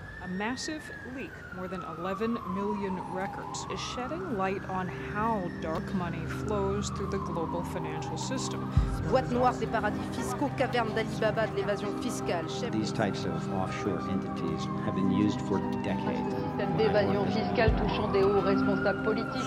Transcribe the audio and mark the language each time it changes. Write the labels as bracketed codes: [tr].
[en] massive leak, more than 11 million records, is shedding light on how dark money flows through the global financial system. [fr] Boîte noire des paradis fiscaux, caverne d'Alibaba, de l'évasion fiscale. [en] These types of offshore entities have been used for decades. [fr] Cette évasion fiscale touchant des hauts responsables politiques.